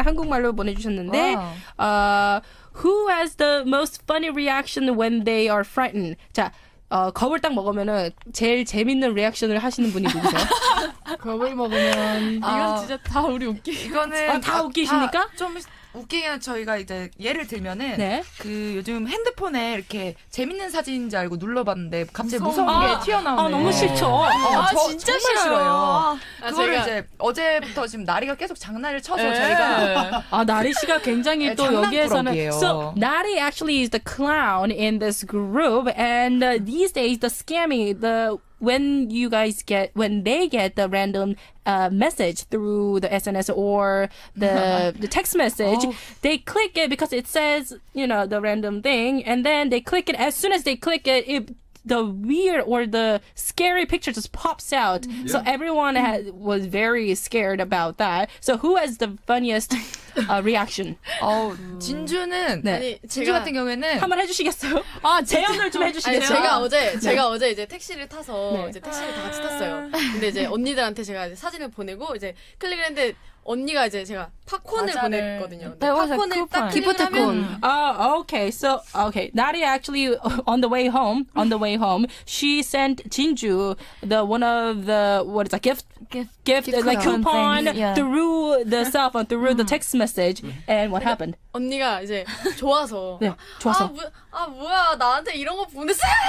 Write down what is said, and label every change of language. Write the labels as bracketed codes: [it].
[ko] 한국말로 보내주셨는데, [en] who has the most funny reaction when they are frightened? [ko] 자, 겁을 딱 먹으면은 제일 재밌는 리액션을 하시는 분이 누구세요? 겁을 먹으면 이건 진짜 다 우리 웃기. 이거는 다 웃기십니까? 다 좀 웃기게는 저희가 이제 예를 들면은 네? 그 요즘 핸드폰에 이렇게 재밌는 사진인지 알고 눌러봤는데 갑자기 무서운 게 튀어나오네요. 아 너무 싫죠. 진짜 싫어요. 그거를 제가... 이제 어제부터 지금 나리가 계속 장난을 쳐서 네. 저희가 아 나리 씨가 굉장히 또 여기에서는 [en] so 나리 actually is the clown in this group and these days the scammy the when you guys get when they get the random message through the SNS or the text message they click it because it says you know the random thing and then they click it as soon as they click it it the weird or the scary picture just pops out yeah. so everyone had was very scared about that so who has the funniest reaction [ko] 진주는 네. 아니 진주 같은 경우에는 한번 해주시겠어요? 아 제안을 좀 해주시겠어요? 아니, 제가 어제 이제 택시를 타서 네. 이제 택시를 다 같이 탔어요. 근데 이제 언니들한테 제가 이제 사진을 보내고 이제 클릭을 했는데 언니가 이제 제가 팝콘을 보냈거든요. 네, 팝콘을 딱 기프트콘. 오케이. [en] 나리 actually on the way home, she sent Jinju the one of the what is a gift like coupon yeah. through the cell phone through the text message. And what happened? [ko] 언니가 이제 좋아서. 네, 좋아서. 뭐야 나한테 이런 거 보냈어?